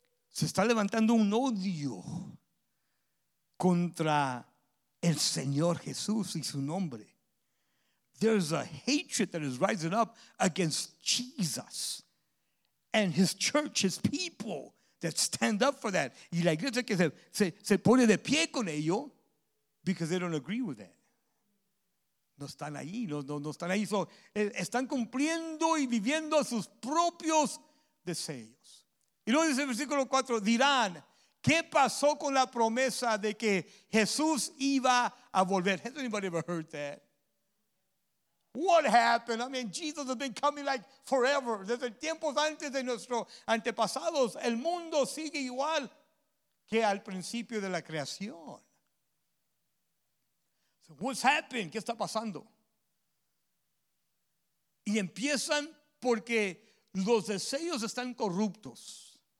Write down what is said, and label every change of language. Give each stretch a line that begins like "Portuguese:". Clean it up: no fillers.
Spanish: Se está levantando un odio contra el Señor Jesús y su nombre.
English: There's a hatred that is rising up against Jesus and his church, his people that stand up for that.
Spanish: Y la iglesia que se pone de pie con ello
English: because they don't agree with that.
Spanish: No están ahí, no están ahí. So, están cumpliendo y viviendo sus propios deseos. Y luego dice el versículo 4, dirán, ¿qué pasó con la promesa de que Jesús iba a volver?
English: Has anybody ever heard that? What happened? I mean, Jesus has been coming like forever.
Spanish: Desde tiempos antes de nuestros antepasados, el mundo sigue igual que al principio de la creación.
English: So what's happened?
Spanish: ¿Qué está pasando? Y empiezan porque los deseos están corruptos.